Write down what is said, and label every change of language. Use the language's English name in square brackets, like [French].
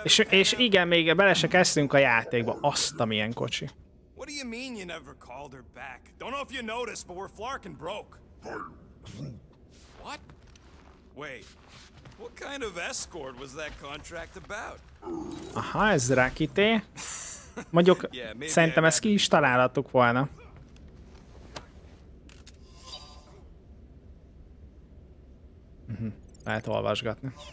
[Hungarian] És igen, még bele se kezdtünk a játékba. Azt a milyen kocsi. [English] What do you mean you never called her back? Don't know if you noticed, but we're flarkin' broke. What? Wait, what kind of escort was that contract about? [Hungarian] Aha, ez Rakité. Mondjuk, yeah, szerintem ezt ki is találhattuk volna. Lehet olvasgatni.